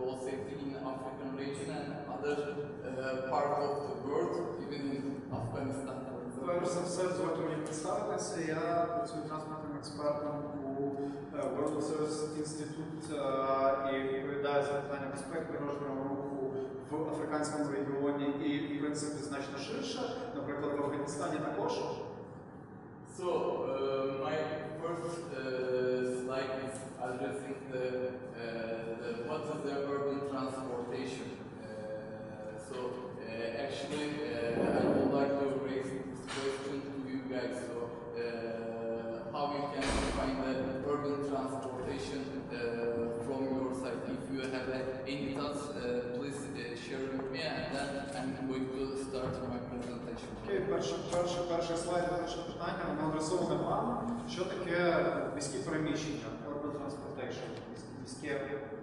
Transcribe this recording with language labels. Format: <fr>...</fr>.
<en>other part of the world, even in Afghanistan.</en> <uk>Перш за все, з вами мені представитися, я працюю транспортним експертом у World Resources Institute і відповідаю за питання безпеки дорожнього руху в Африканському регіоні і, в принципі, значно ширше, наприклад, в Афганістані також.</uk> <en>So, my first slide is addressing the what is the urban transportation. So, actually, I would like to raise this question to you guys. So, how you can define the urban transportation from your side? If you have any thoughts, please share with me, and then I'm going to start my presentation.</en> <uk>Okay, перший слайд, перше питання, воно адресоване вам. Що таке міські переміщення,</uk> <en>urban transportation,</en> <uk>міське?</uk>